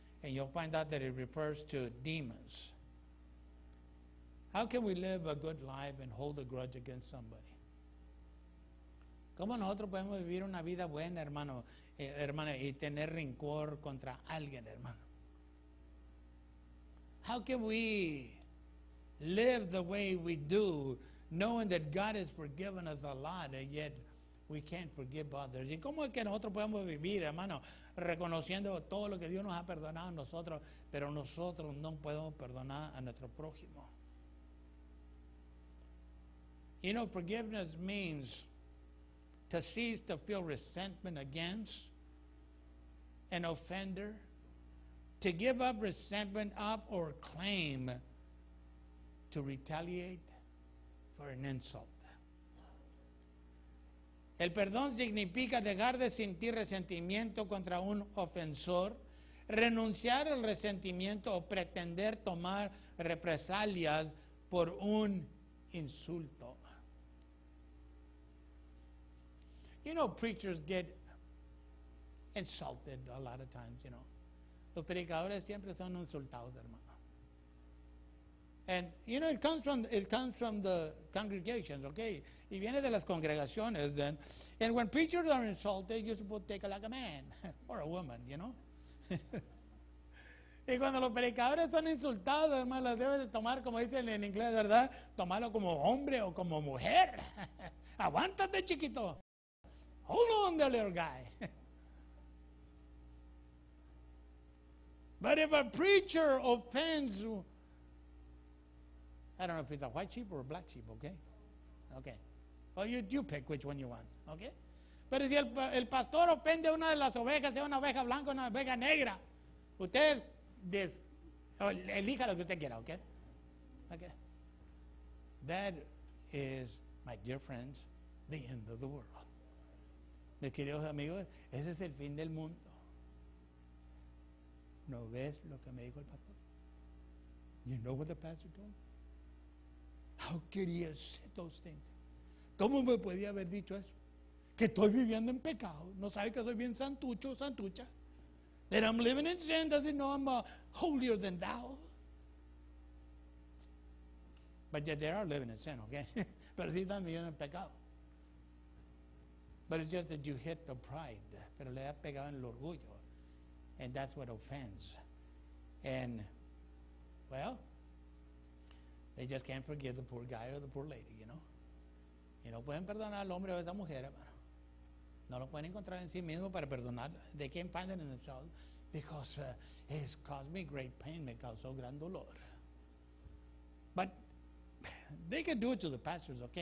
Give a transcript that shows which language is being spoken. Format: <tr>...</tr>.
<en>And you'll find out that it refers to demons. How can we live a good life and hold a grudge against somebody?</en> <es>¿Cómo nosotros podemos vivir una vida buena, hermano, hermano, y tener rencor contra alguien, hermano?</es> <en>How can we live the way we do, knowing that God has forgiven us a lot, and yet we can't forgive others?</en> <es>¿Y cómo es que nosotros podemos vivir, hermano, reconociendo todo lo que Dios nos ha perdonado a nosotros, pero nosotros no podemos perdonar a nuestro prójimo?</es> <en>You know, forgiveness means to cease to feel resentment against an offender, to give up resentment up or claim to retaliate for an insult.</en> <es>El perdón significa dejar de sentir resentimiento contra un ofensor, renunciar al resentimiento o pretender tomar represalias por un insulto.</es> <en>You know, preachers get insulted a lot of times, you know.</en> <es>Los predicadores siempre son insultados, hermano.</es> <en>And, you know, it comes from the congregations, okay?</en> <es>Y viene de las congregaciones,</es> <en>then. And when preachers are insulted, you're supposed to take it like a man or a woman, you know.</en> <es>Y cuando los predicadores son insultados, hermano, los debes de tomar, como dicen en inglés, ¿verdad? Tomarlo como hombre o como mujer. Aguántate, chiquito.</es> <en>Hold on there, little guy. But if a preacher offends, I don't know if it's a white sheep or a black sheep, okay? Okay. Well, you pick which one you want, okay?</en> <es>Pero si el pastor ofende una de las ovejas, sea una oveja blanca o una oveja negra, usted elija lo que usted quiera, okay?</es> <en>Okay. That is, my dear friends, the end of the world.</en> <es>Mis queridos amigos, ese es el fin del mundo. ¿No ves lo que me dijo el pastor?</es> <en>You know what the pastor told me? How could he have said those things?</en> <es>¿Cómo me podía haber dicho eso? Que estoy viviendo en pecado. ¿No sabe que soy bien santucho, santucha?</es> <en>That I'm living in sin. Doesn't know I'm holier than thou. But yet they are living in sin, okay?</en> <es>Pero sí están viviendo en pecado.</es> <en>But it's just that you hit the pride.</en> <es>Pero le ha pegado en el orgullo.</es> <en>And that's what offends. And, well, they just can't forgive the poor guy or the poor lady, you know.</en> <es>Y no pueden perdonar al hombre o a esa mujer, hermano. No lo pueden encontrar en sí mismo para perdonar.</es> <en>They can't find it in themselves because it's caused me great pain.</en> <es>Me causó gran dolor.</es> <en>But they can do it to the pastors, okay?</en>